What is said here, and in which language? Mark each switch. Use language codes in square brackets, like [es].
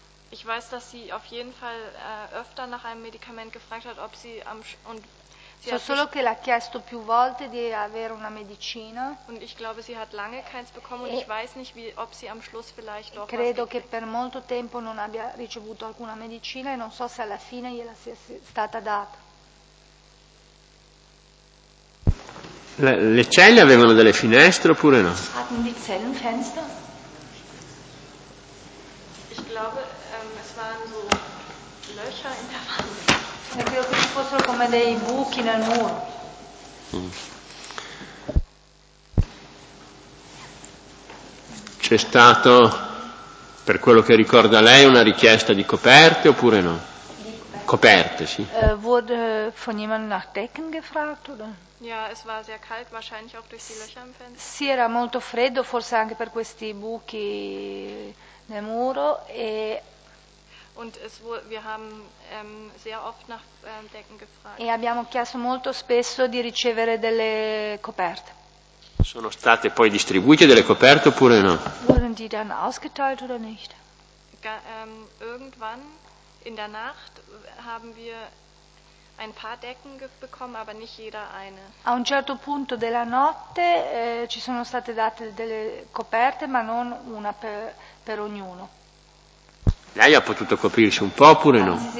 [de] Ich weiß, dass sie auf jeden Fall öfter nach einem Medikament gefragt hat, ob sie am und [it] so solo che l'ha chiesto più volte di avere una medicina. [de] Und ich glaube, sie hat lange keins bekommen und ich weiß nicht, wie, ob sie am Schluss vielleicht doch. [it] Credo che per molto tempo non abbia ricevuto alcuna medicina e non so se alla fine gliela sia stata data. Le celle avevano delle finestre oppure no? [de] Hatten die Zellen Fenster? Ich glaube, es waren so Löcher in der Wand. [it] Credo che ci fossero come dei buchi nel muro. C'è stato, per quello che ricorda lei, una richiesta di coperte oppure no? Di coperte, sì. [de] Wurde von jemandem nach Decken gefragt, oder? Ja, es war sehr kalt, wahrscheinlich auch durch die Löcher im Fenster. [it] Sì, era molto freddo, forse anche per questi buchi nel muro e... [de] Und es wurde, wir haben sehr oft nach Decken gefragt. [it] E abbiamo chiesto molto spesso di ricevere delle coperte. Sono state poi distribuite delle coperte oppure no? [de] Wurden die dann ausgeteilt oder nicht? Irgendwann in der Nacht haben wir ein paar Decken bekommen, aber nicht jeder eine. [it] A un certo punto della notte ci sono state date delle coperte, ma non una per ognuno. Lei ha potuto coprirsi un po' oppure no?